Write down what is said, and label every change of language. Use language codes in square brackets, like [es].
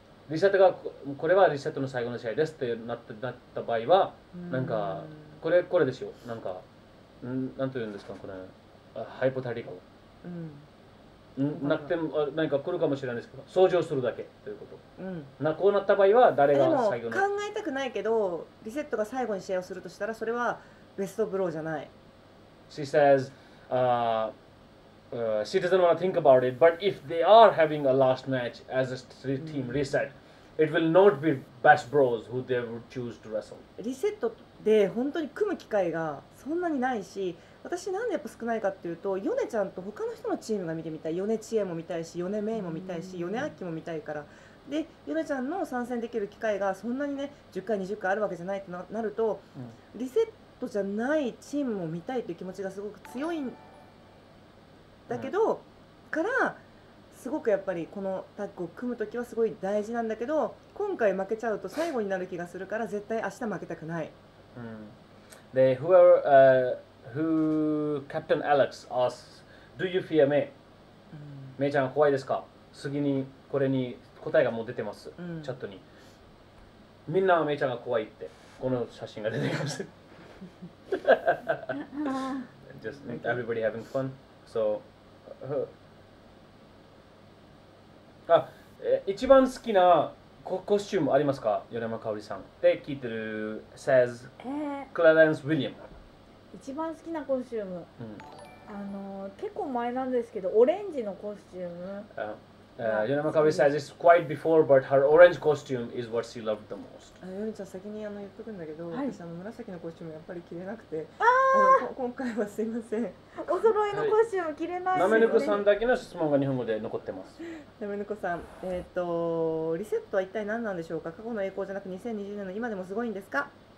[ja] リセットがこれはリセットの最後の試合ですってなった場合は、なんかこれでしょう、なんかなんと言うんですか、これハイポタリカル、うん、なくても何か来るかもしれないですけど、掃除をするだけということ、うん、こうなった場合は誰が最後に、でも考えたくないけど、リセットが最後に試合をするとしたらそれはベストブローじゃない。 [en] She says she doesn't want to think about it, but if they are having a last match as a team reset, it will not be best bros who they would choose to wrestle. [ja] リセットで本当に組む機会がそんなにないし、私なんでやっぱ少ないかっていうと、ヨネちゃんと他の人のチームが見てみたい、ヨネチエも見たいし、ヨネメイも見たいし、ヨネアキも見たいから、でヨネちゃんの参戦できる機会がそんなにね10回20回あるわけじゃないとなると、うん、リセットじゃないチームも見たいっていう気持ちがすごく強いんだけど、うん、からすごくやっぱりこのタッグを組むときはすごい大事なんだけど、今回負けちゃうと最後になる気がするから絶対明日負けたくない、うん。 [en] で、whoever, who Captain Alex asks, do you fear me? [ja] メイちゃん怖いですか？次にこれに答えがもう出てます、うん、チャットに。みんなメイちゃんが怖いって、この写真が出てきます。 [en] Just everybody having fun. So, [ja] あ、一番好きなコスチュームありますか、米山かおりさん。で聞いてる says、クラレンス・ウィリアム。一番好きなコスチューム、うん、結構前なんですけど、オレンジのコスチューム。 [en] ヨナマカビ says it's quite before, but her orange costume is what she loved the most. [ja] ヨナちゃん先に言っとくんだけど、はい、私紫のコスチュームやっぱり着れなくて、今回はすいません。お揃いのコスチューム着れないし。ナメヌコさんだけの質問が日本語で残ってます。ナメヌコさん、リセットは一体何なんでしょうか。過去の栄光じゃなく2020年の今でもすごいんですか。